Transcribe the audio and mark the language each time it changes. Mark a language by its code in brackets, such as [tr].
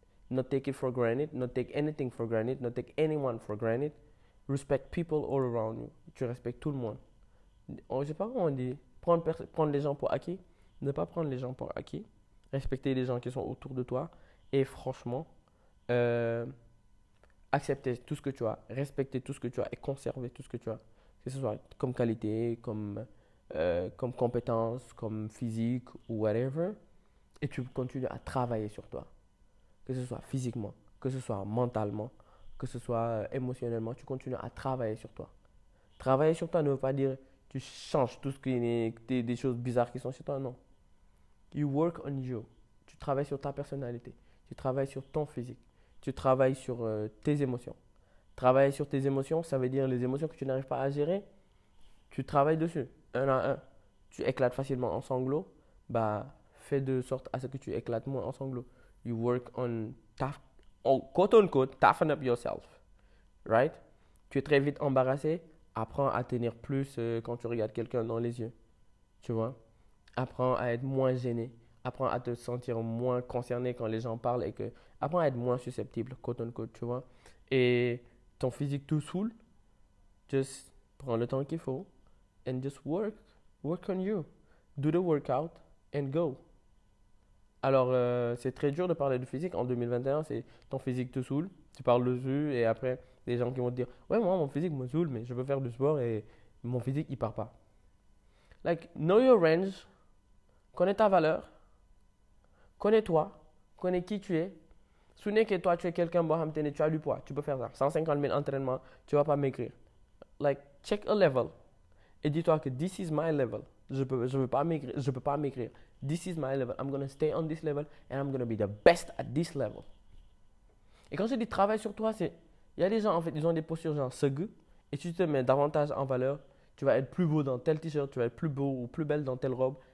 [en] Not take it for granted, not take anything for granted, not take anyone for granted. Respect people all around you. [fr] Tu respectes tout le monde. Je sais pas comment on dit. Prendre les gens pour acquis, ne pas prendre les gens pour acquis. Respecter les gens qui sont autour de toi et franchement, accepter tout ce que tu as, respecter tout ce que tu as et conserver tout ce que tu as, que ce soit comme qualité, comme compétence, comme physique ou whatever, et tu continues à travailler sur toi, que ce soit physiquement, que ce soit mentalement, que ce soit émotionnellement, tu continues à travailler sur toi. Travailler sur toi ne veut pas dire tu changes tout ce qui est des choses bizarres qui sont chez toi, non. [en] You work on you. [fr] Tu travailles sur ta personnalité. Tu travailles sur ton physique. Tu travailles sur tes émotions. Travailler sur tes émotions, ça veut dire les émotions que tu n'arrives pas à gérer. Tu travailles dessus, un à un. Tu éclates facilement en sanglots. Bah, fais de sorte à ce que tu éclates moins en sanglots. [en] You work on ta, oh, quote unquote, toughen up yourself. [fr] Right? Tu es très vite embarrassé. Apprends à tenir plus quand tu regardes quelqu'un dans les yeux. Tu vois? Apprends à être moins gêné. Apprends à te sentir moins concerné quand les gens parlent et que. Apprends à être moins susceptible, quote unquote, tu vois. Et ton physique te saoule. Just prends le temps qu'il faut. [en] And just work. Work on you. Do the workout and go. [fr] Alors, c'est très dur de parler de physique en 2021. C'est ton physique te saoule. Tu parles dessus et après, les gens qui vont te dire, ouais, moi, mon physique me saoule, mais je veux faire du sport et mon physique, il part pas. [en] Like, know your range. [fr] Connais ta valeur. Connais-toi, connais qui tu es. Souvenez que toi, tu es quelqu'un, Mohamed, tu as du poids, tu peux faire ça. 150 000 entraînements, tu ne vas pas maigrir. [en] Like, check a level. [fr] Et dis-toi que [en] this is my level. [fr] Je veux pas maigrir. Je peux pas maigrir. [en] This is my level. I'm going to stay on this level and I'm going to be the best at this level. [fr] Et quand je dis travail sur toi, c'est. Il y a des gens, en fait, ils ont des postures genre segue. Et tu te mets davantage en valeur. Tu vas être plus beau dans tel t-shirt, tu vas être plus beau ou plus belle dans telle robe.